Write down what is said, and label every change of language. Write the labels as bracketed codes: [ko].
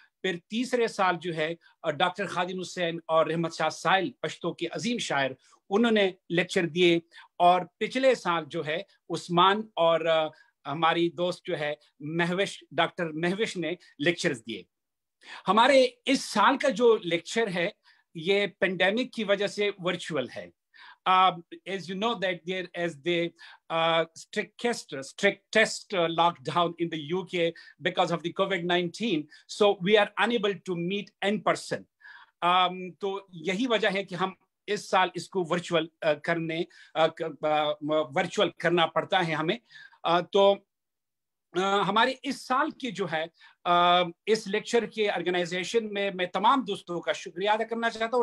[hi] फिर तीसरे साल जो है डॉक्टर खादिम हुसैन और रहमत शाह साहिल, पश्तो के अजीम शायर, उन्होंने लेक्चर दिए. और पिछले साल जो है उस्मान और हमारी दोस्त जो है मेहवेश, डॉक्टर मेहवेश ने लेक्चर दिए. हमारे इस साल का जो लेक्चर है ये पेंडेमिक की वजह से वर्चुअल है. [en] As you know that there is the strict test lockdown in the UK because of the COVID-19, so we are unable to meet in person. [hi] तो यही वजह है कि हम इस साल इसको वर्चुअल करने वर्चुअल करना पड़ता है हमें. तो हमारे इस साल के जो है इस लेक्चर के ऑर्गेनाइजेशन में मैं तमाम दोस्तों का शुक्रिया अदा करना चाहता हूँ.